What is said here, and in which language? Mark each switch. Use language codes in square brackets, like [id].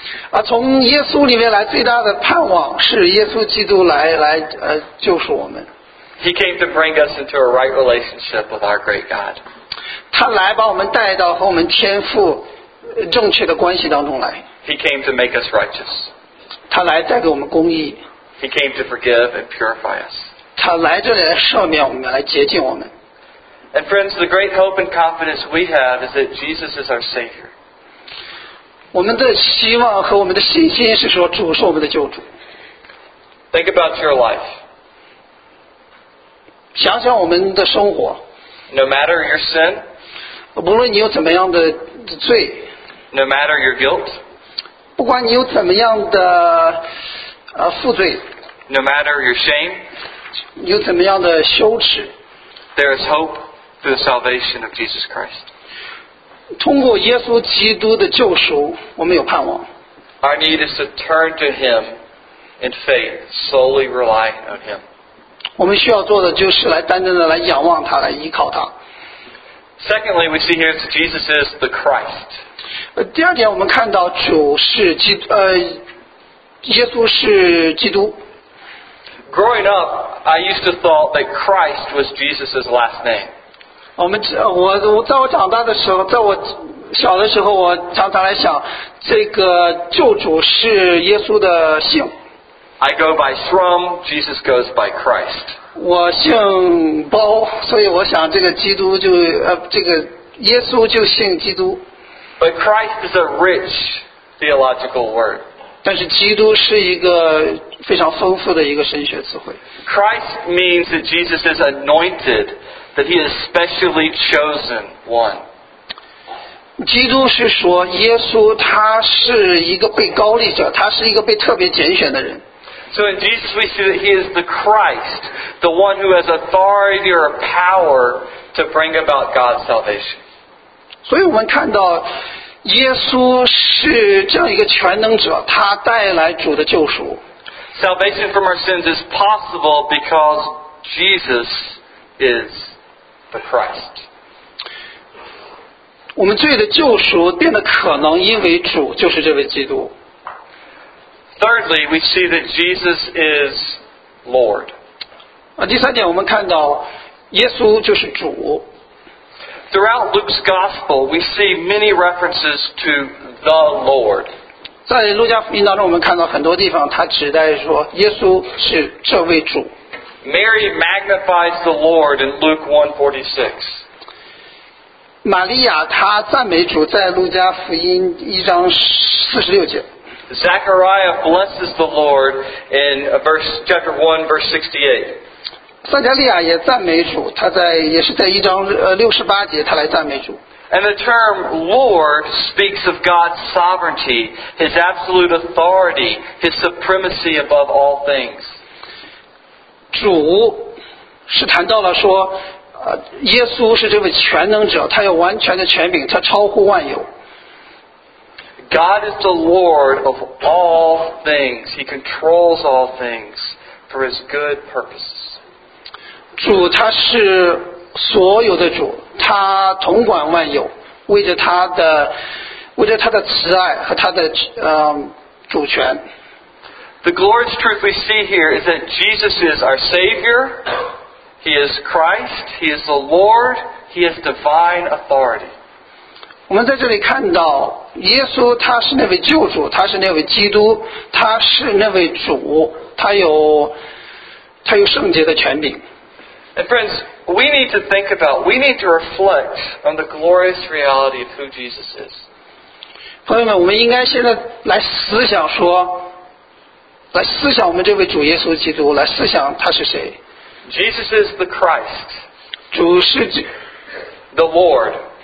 [zh] 啊，从耶稣里面来最大的盼望是耶稣基督来救赎我们。 [en] He came to bring us into a right relationship with our great God. [zh] 他来把我们带到和我们天父正确的关系当中来。 [en] He came to make us righteous. [zh] 他来带给我们公义。 [en] He came to forgive and purify us. [zh] 他来这里来赦免我们，来洁净我们。 [en] And friends, the great hope and confidence we have is that Jesus is our Savior. [zh] 我们的希望和我们的信心是说主是我们的救主。 [en] Think about your life. [zh] 想想我们的生活。 [en] No matter your sin. [zh] 不论你有怎么样的罪。 [en] No matter your guilt. [zh] 不管你有怎么样的负罪。 [en] No matter your shame. [zh] 你有怎么样的羞耻。 [en] There is hope. The salvation of Jesus Christ. [zh] 通过耶稣基督的救赎，我们有盼望。 [en] Our need is to turn to Him in faith, solely relying on Him. [zh] 我们需要做的就是来单单的来仰望他，来依靠他。 [en] Secondly, we see here that Jesus is the Christ. [zh] 第二点，我们看到主是基督，耶稣是基督。 [en] Growing up, I used to thought that Christ was Jesus' last name. [zh] 我在我长大的时候，在我小的时候，我常常来想，这个救主是耶稣的姓。 [en] I go by Shrum, Jesus goes by Christ. [zh] 我姓包，所以我想这个基督就这个耶稣就姓基督。 [en] But Christ is a rich theological word. [zh] 但是基督是一个非常丰富的一个神学词汇。 [en] Christ means that Jesus is anointed. That he is specially chosen one. [zh] 基督是说耶稣他是一个被高立者，他是一个被特别拣选的人。 [en] So in Jesus we see that he is the Christ, the one who has authority or power to bring about God's salvation. [zh] 所以我们看到耶稣是这样一个全能者，他带来主的救赎。 [en] Salvation from our sins is possible because Jesus is the Christ. [zh] 我们罪的救赎变得可能因为主就是这位基督。 [en] Thirdly, we see that Jesus is Lord. [zh] 第三点我们看到耶稣就是主。 [en] Throughout Luke's Gospel, we see many references to the Lord. [zh] 在路加福音当中我们看到很多地方他指代说耶稣是这位主。 [en] Mary magnifies the Lord in Luke 1:46. [zh] 玛利亚她赞美主在路加福音一章四十六节。 [en] Zechariah blesses the Lord in chapter 1 verse 68. [zh] 撒迦利亚也赞美主她在也是在一章六十八节她来赞美主。 [en] And the term Lord speaks of God's sovereignty, His absolute authority, His supremacy above all things. [zh] 主是谈到了说耶稣是这位全能者，他有完全的权柄，他超乎万有。 [en] God is the Lord of all things. He controls all things for His good purposes. [zh] 主他是所有的主，他统管万有，为着他的慈爱和他的主权。 [en] The glorious truth we see here is that Jesus is our Savior. He is Christ, He is the Lord, He is divine authority. [zh] 我们在这里看到耶稣他是那位救主，他是那位基督，他是那位主，他有圣洁的权柄。 [en] And friends, we need to think about, we need to reflect on the glorious reality of who Jesus is. [zh] 朋友们，我们应该现在来思想说，来思想我们这位主耶稣基督，来思想他是谁。 [en] Jesus is the Christ. [zh] 主是 [en] the Lord.